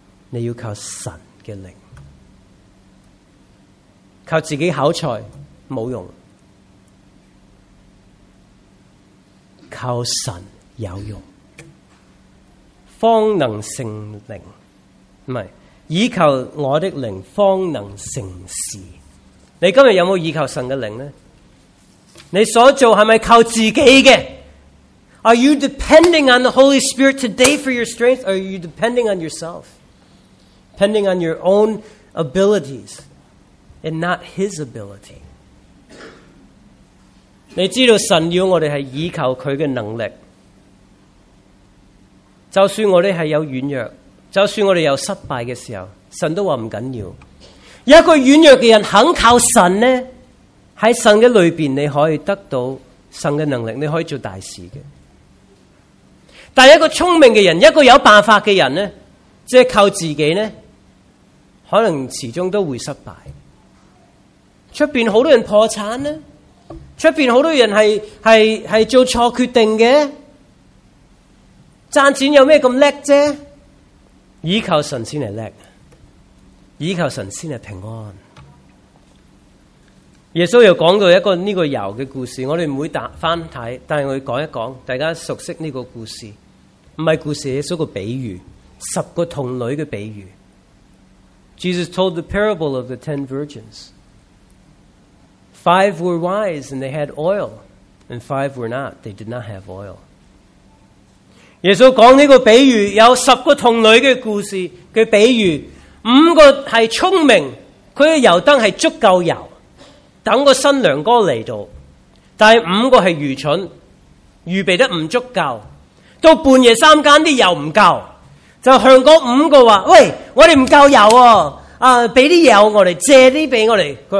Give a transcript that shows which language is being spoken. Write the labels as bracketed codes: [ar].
[zh] 你要求神的灵，靠自己口才没用，靠神有用，方能成灵，不是倚求我的灵方能成事。你今天有没有倚求神的灵呢？你所做是不是靠自己的？ [en] Are you depending on the Holy Spirit today for your strength? Or are you depending on yourself? Depending on your own abilities and not His ability? [zh] 你知道神要我们是倚靠祂的能力，就算我们是有软弱，就算我们有失败的时候，神都说不要紧。一个软弱的人肯靠神呢，在神的里面你可以得到神的能力，你可以做大事的。但一个聪明的人，一个有办法的人呢，即是靠自己呢，可能始终都会失败。出面很多人破产呢，出面很多人 是做错决定的，赚钱有什么那么厉害？依靠神才是厉害，依靠神才是平安。耶稣又讲到一个这个油的故事，我们不会翻看，但是我们讲一讲，大家熟悉这个故事，不是故事，耶稣的比喻，十个童女的比喻。 [en] Jesus told the parable of the ten virgins. Five were wise and they had oil, and five were not, they did not have oil. [zh] 耶稣讲这个比喻，有十个童女的故事的比喻，五个是聪明，他的油灯是足够油，等个新娘哥来到，但是五个是愚蠢，预备得不足够，到半夜三更的油不够，就向那五个说，喂，我们不够油啊，给些油我们，借些给我们。